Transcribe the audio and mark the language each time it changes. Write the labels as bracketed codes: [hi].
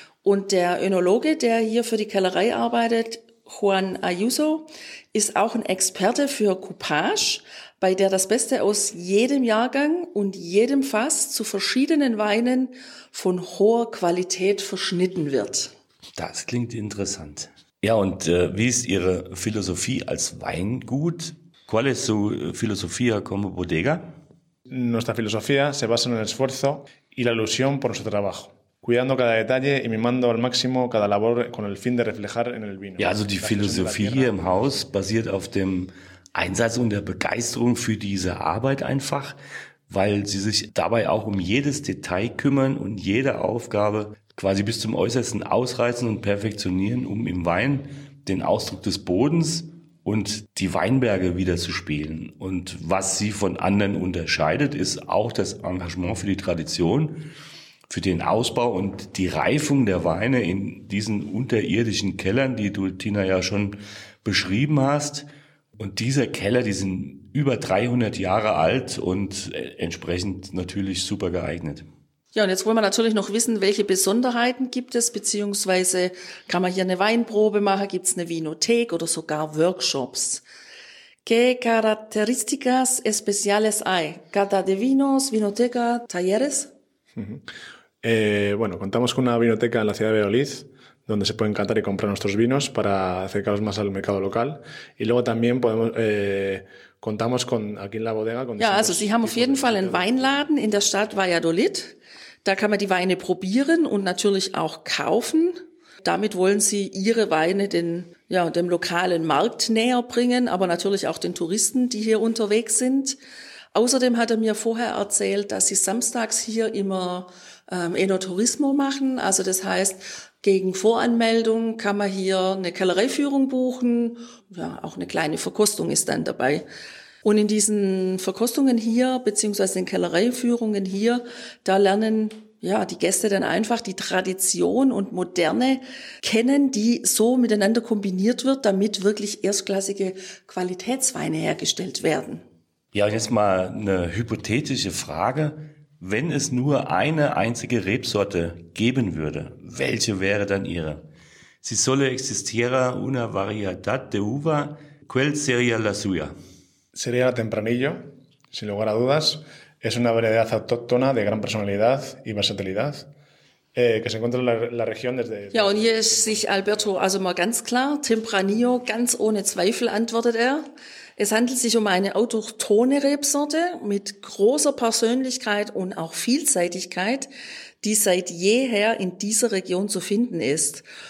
[de] Und der Önologe, der hier für die Kellerei arbeitet, Juan Ayuso, ist auch ein Experte für Coupage, bei der das Beste aus jedem Jahrgang und jedem Fass zu verschiedenen Weinen von hoher Qualität verschnitten wird. Das klingt interessant. Ja, und wie ist Ihre Philosophie als Weingut? [es] ¿Cuál es su filosofía como bodega? Nuestra filosofía se basa en el esfuerzo y la ilusión por nuestro trabajo. Cuidando cada detalle y mimando al máximo cada labor con el fin de reflejar en el vino. [de] Ja, also die Philosophie hier im Haus basiert auf dem Einsatz und der Begeisterung für diese Arbeit einfach, weil Sie sich dabei auch um jedes Detail kümmern und jede Aufgabe quasi bis zum Äußersten ausreizen und perfektionieren, um im Wein den Ausdruck des Bodens und die Weinberge wiederzuspielen. Und was Sie von anderen unterscheidet, ist auch das Engagement für die Tradition, für den Ausbau und die Reifung der Weine in diesen unterirdischen Kellern, die du, Tina, ja schon beschrieben hast. Und diese Keller, die sind über 300 Jahre alt und entsprechend natürlich super geeignet. Ja, und jetzt wollen wir natürlich noch wissen, welche Besonderheiten gibt es, beziehungsweise kann man hier eine Weinprobe machen, gibt es eine Vinothek oder sogar Workshops? [es] ¿Qué características especiales hay? ¿Cata de vinos, vinoteca, talleres? Bueno, contamos con una vinoteca en la ciudad de Valladolid, donde se pueden catar y comprar nuestros vinos para acercarlos más al mercado local. Y luego también podemos, contamos con aquí en la bodega. Con [de] ja, also Sie haben auf jeden Fall einen Weinladen in der Stadt Valladolid. Da kann man die Weine probieren und natürlich auch kaufen. Damit wollen Sie Ihre Weine dem lokalen Markt näher bringen, aber natürlich auch den Touristen, die hier unterwegs sind. Außerdem hat er mir vorher erzählt, dass Sie samstags hier immer Enoturismo machen. Also das heißt, gegen Voranmeldung kann man hier eine Kellereiführung buchen. Ja, auch eine kleine Verkostung ist dann dabei. Und in diesen Verkostungen hier, beziehungsweise den Kellereiführungen hier, da lernen ja die Gäste dann einfach die Tradition und Moderne kennen, die so miteinander kombiniert wird, damit wirklich erstklassige Qualitätsweine hergestellt werden. Ja, jetzt mal eine hypothetische Frage. Wenn es nur eine einzige Rebsorte geben würde, welche wäre dann Ihre? [es] Si solo existiera una variedad de uva, ¿cuál sería la suya? Sería la Tempranillo, sin lugar a dudas. Es una variedad autóctona de gran personalidad y versatilidad que se encuentra en la región desde... [de] Ja, und hier ist sich Alberto also mal ganz klar. Tempranillo, ganz ohne Zweifel, antwortet er. Es handelt sich um eine autochthone Rebsorte mit großer Persönlichkeit und auch Vielseitigkeit, die seit jeher in dieser Region zu finden ist.